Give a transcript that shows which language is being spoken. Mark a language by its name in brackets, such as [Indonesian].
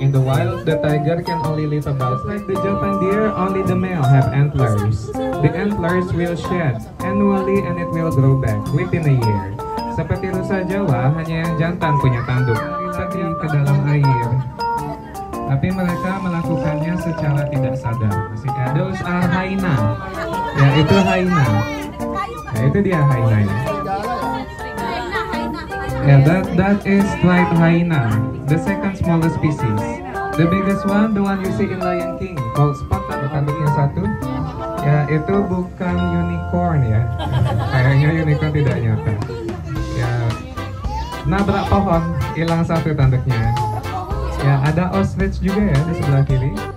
[English] In the wild, the tiger can only live about. Like the Japan deer, only the male have antlers. The antlers will shed annually and it will grow back within a year. [Indonesian] Seperti rusa Jawa, hanya yang jantan punya tanduk. Lari ke dalam air. Tapi mereka melakukannya secara tidak sadar. Maksudnya, [English] those are hyena. [Indonesian] Ya, itu hyena. Ya, itu dia hyena. [English] Yeah, that is striped hyena, the second smallest species. The biggest one, the one you see in Lion King, called Spotted. [Indonesian] Tanduknya satu. Ya, yeah, itu bukan unicorn ya. Kayaknya unicorn tidak nyata. Ya, yeah. Nabrak pohon, hilang satu tanduknya. Ya, yeah, ada ostrich juga ya di sebelah kiri.